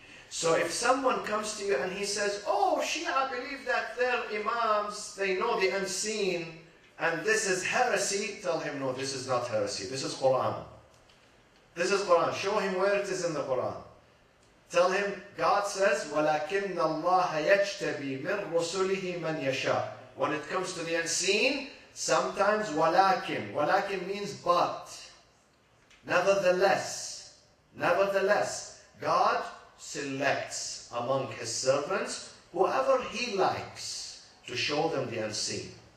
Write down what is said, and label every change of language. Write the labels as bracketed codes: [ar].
[en] So if someone comes to you and he says, oh, Shia believe that their imams, they know the unseen, and this is heresy, tell him, no, this is not heresy. This is Quran. This is Quran. Show him where it is in the Quran. Tell him, God says, [ar] وَلَكِنَّ اللَّهَ يَجْتَبِي مِنْ رُسُلِهِ مَنْ يَشَاءُ. [en] When it comes to the unseen, sometimes وَلَكِن. وَلَكِن means but. Nevertheless. Nevertheless. God selects among His servants whoever He likes to show them the unseen.